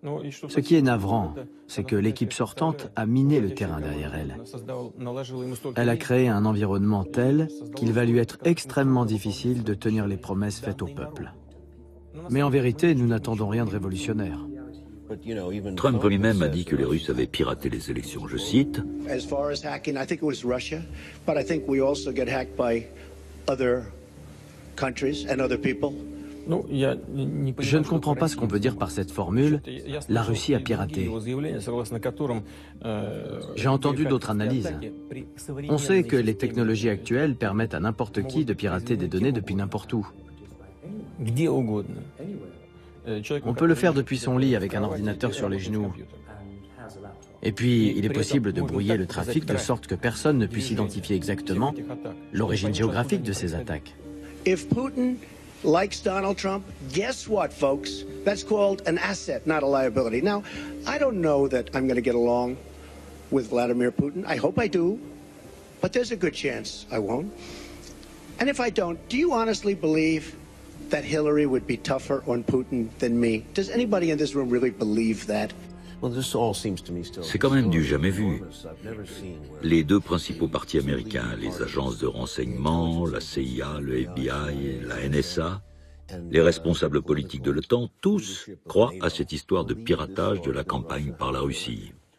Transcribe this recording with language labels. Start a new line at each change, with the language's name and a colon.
French: Ce qui est navrant, c'est que l'équipe sortante a miné le terrain derrière elle. Elle a créé un environnement tel qu'il va lui être extrêmement difficile de tenir les promesses faites au peuple. Mais en vérité, nous n'attendons rien de révolutionnaire. Trump lui-même a dit que les Russes avaient piraté les élections, je cite.
English: As far as hacking, I think it was Russia, but I think we also get hacked by other countries and other people.
French: Je ne comprends pas ce qu'on veut dire par cette formule « la Russie a piraté ». J'ai entendu d'autres analyses. On sait que les technologies actuelles permettent à n'importe qui de pirater des données depuis n'importe où. On peut le faire depuis son lit avec un ordinateur sur les genoux. Et puis, il est possible de brouiller le trafic de sorte que personne ne puisse identifier exactement l'origine géographique de ces attaques.
English: If Putin likes Donald Trump, guess what, folks? That's called an asset, not a liability. Now, I don't know that I'm going to get along with Vladimir Putin. I hope I do, but there's a good chance I won't. And if I don't, do you honestly believe that Hillary would be tougher on Putin than me? Does anybody in this room really believe that?
French: C'est quand même du jamais vu. Les deux principaux partis américains, les agences de renseignement, la CIA, le FBI, la NSA, les responsables politiques de l'OTAN, tous croient à cette histoire de piratage de la campagne par la Russie.